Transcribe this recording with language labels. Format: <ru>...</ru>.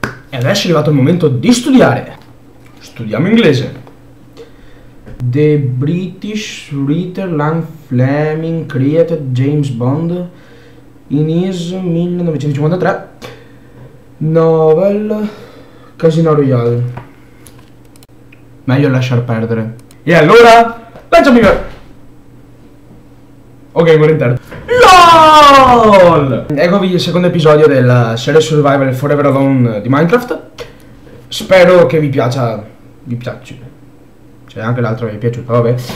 <it>E adesso è arrivato il momento di studiare. Studiamo inglese.</it> <en>The British writer Ian Fleming created James Bond in his 1953 novel Casino Royale.</en> <it>Meglio lasciar perdere. E allora, lanciami via! Ok, muore in terra. LOL! Eccovi il secondo episodio della serie Survival Forever Alone di Minecraft. Spero che vi piaccia. Vi piaccia. Cioè, anche l'altro mi è piaciuto, vabbè.</it>